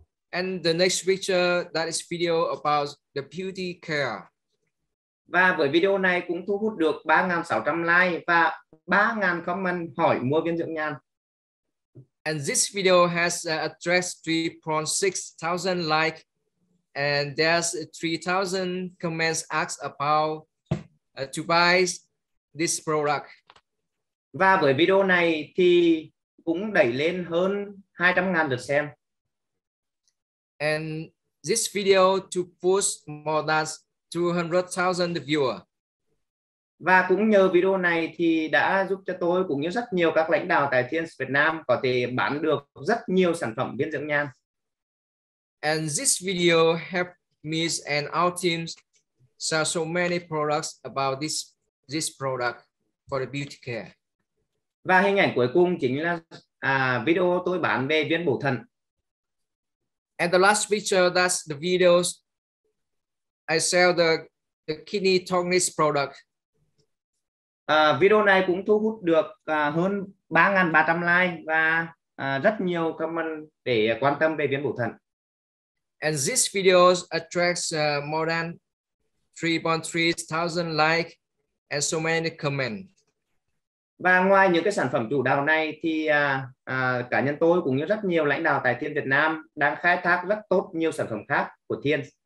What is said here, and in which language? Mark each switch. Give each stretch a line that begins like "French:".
English: And the next picture that is video about the beauty care.
Vietnamese: Và với video này cũng thu hút được 3,600 like và 3,000 comment hỏi mua viên dưỡng nhan.
English: And this video has attracted 3,600 like and there's 3,000 comments asked about to buy this product.
Vietnamese: Và với video này thì cũng đẩy lên hơn 200,000 lượt xem.
English: And this video to push more than 200,000 viewer.
Vietnamese: Và cũng nhờ video này thì đã giúp cho tôi cũng như rất nhiều các lãnh đạo tại Thiên's Việt Nam có thể bán được rất nhiều sản phẩm viên dưỡng nhan.
English: And this video helped me and our teams sell so many products about this product for the beauty care.
Vietnamese: Và hình ảnh cuối cùng chính là video tôi bán về viên bổ thận.
English: And the last picture, that's the videos I sell the kidney tonic product.
Vietnamese: Video này cũng thu hút được hơn 3,300 like và rất nhiều comment để quan tâm về viên bổ thận.
English: And this video attracts more than 3,300 like and so many comments.
Vietnamese: Và ngoài những cái sản phẩm chủ đạo này thì cá nhân tôi cũng như rất nhiều lãnh đạo tại Thiên Việt Nam đang khai thác rất tốt nhiều sản phẩm khác của Thiên.